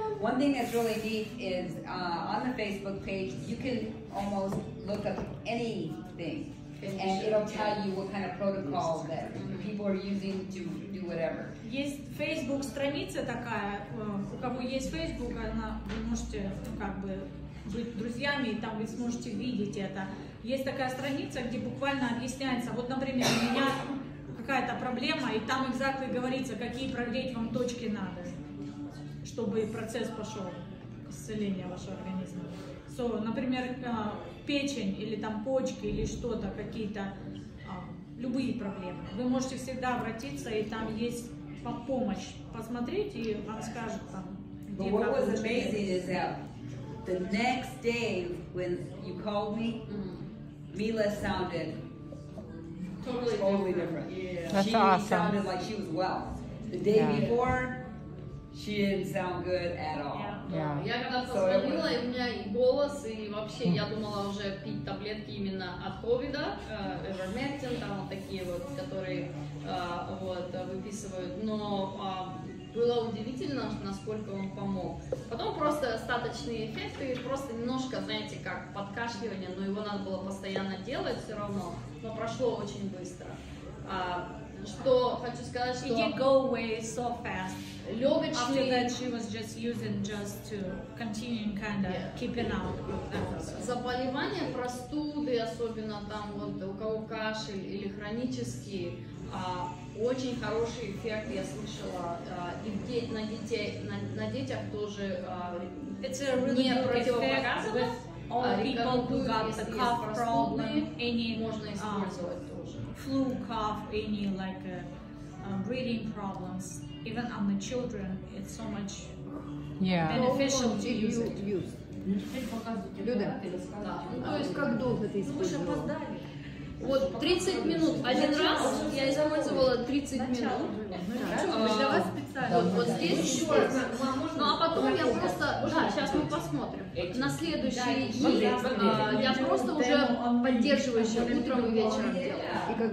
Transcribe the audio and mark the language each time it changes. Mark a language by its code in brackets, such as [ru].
[en] One thing that's really neat is on the Facebook page you can almost look up anything. And it'll tell you what kind of protocol that people are using to do whatever. [ru] Есть Facebook страница такая, у кого есть Facebook, она вы можете как бы быть друзьями, и там вы сможете видеть это. Есть такая страница, где буквально объясняется, вот, например, у меня какая-то проблема, и там [en] exactly [ru] говорится, какие продеть вам точки надо, чтобы процесс пошел к исцелению вашего организма. [en] So, [ru] например, печень или там почки или что-то, какие-то любые проблемы. Вы можете всегда обратиться, и там есть помощь. Посмотрите, и вам скажут там, где проблемы. [en] What was amazing is that the next day when you called me, Mila sounded totally different. Yeah. That's she awesome. Sounded like she was well. The day before, she didn't sound good at all. [ru] Я когда позвонила, у меня и голос, и вообще я думала уже пить таблетки именно от ковида, Ivermectin, там вот такие вот, которые вот, выписывают, но было удивительно, насколько он помог. Потом просто остаточные эффекты, просто немножко, знаете, как подкашливание, но его надо было постоянно делать все равно, но прошло очень быстро. Что хочу сказать, что... [en] It did go away so fast. [ru] Легочный... [en] After that, she was just using just to continue kind of keeping up with that. [ru] Заболевания, простуды, особенно там вот у кого кашель или хронические, очень хороший эффект, я слышала, и на детей, на детях тоже не противопоказано. Можно использовать тоже. [en] Flu, cough, any like breathing problems, even on the children, it's so much beneficial to use it. [ru] Люда, ну, то есть как долго ты использовала? Вот 30 минут. Один раз я использовала 30 минут. Вот здесь еще раз. Ну а потом я просто, да, сейчас мы посмотрим. На следующий день я просто уже поддерживающая утром и вечером делала.